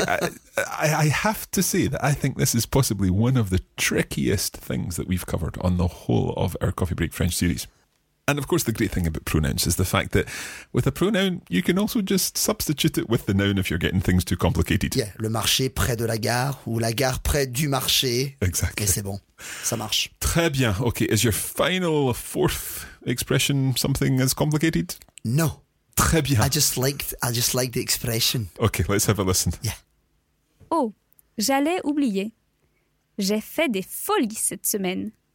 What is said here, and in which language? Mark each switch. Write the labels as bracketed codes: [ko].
[en] I have to say that I think this is possibly one of the trickiest things that we've covered on the whole of our Coffee Break French series. And of course, the great thing about pronouns is the fact that with a pronoun, you can also just substitute it with the noun if you're getting things too complicated. [fr] Yeah, le marché près de la gare, ou la gare près du marché. [en] Exactly. [fr] Et c'est bon, ça marche. Très bien. [en] Okay, is your final fourth expression something as complicated? No. [fr] Très bien. [en] I just like the expression. Okay, let's have a listen. Yeah. [fr] Oh, j'allais oublier. J'ai fait des folies cette semaine.